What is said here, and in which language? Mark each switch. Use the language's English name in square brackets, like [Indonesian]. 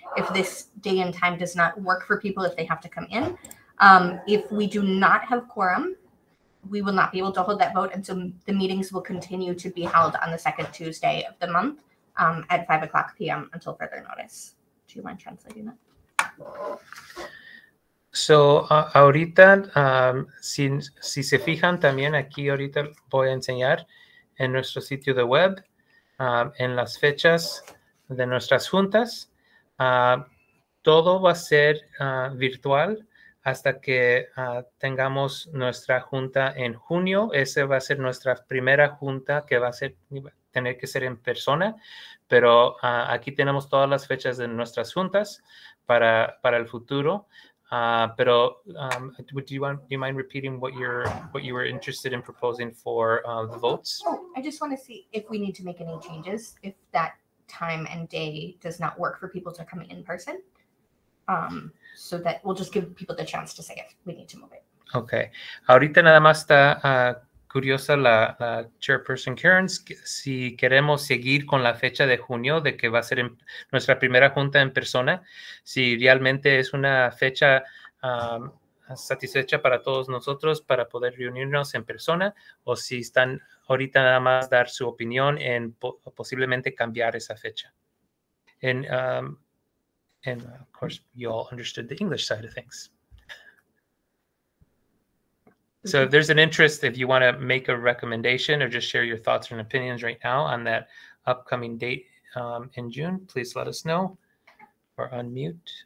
[English] If this day and time does not work for people, if they have to come in. If we do not have quorum, we will not be able to hold that vote. And so the meetings will continue to be held on the second Tuesday of the month at 5:00 p.m. until further notice. Do you mind translating that? [Spanish] So ahorita, si se fijan también aquí ahorita voy a enseñar en nuestro sitio de web, en las fechas de nuestras juntas, todo va a ser virtual hasta que tengamos nuestra junta en junio. Esa va a ser nuestra primera junta que va a ser, tener que ser en persona, pero aquí tenemos todas las fechas de nuestras juntas para el futuro. [English] Pero do you mind repeating what you were interested in proposing for the votes? Oh, I just want to see if we need to make any changes, if that time and day does not work for people to come in person. So that we'll just give people the chance to say if we need to move it. Okay. [Spanish] Ahorita nada más está curiosa la chairperson Karen, si queremos seguir con la fecha de junio de que va a ser nuestra primera junta en persona, si realmente es una fecha satisfecha para todos nosotros para poder reunirnos en persona, o si están ahorita nada más dar su opinión en posiblemente cambiar esa fecha. [English] And of course, you all understood the English side of things. So if there's an interest, if you want to make a recommendation or just share your thoughts and opinions right now on that upcoming date in June, please let us know or unmute.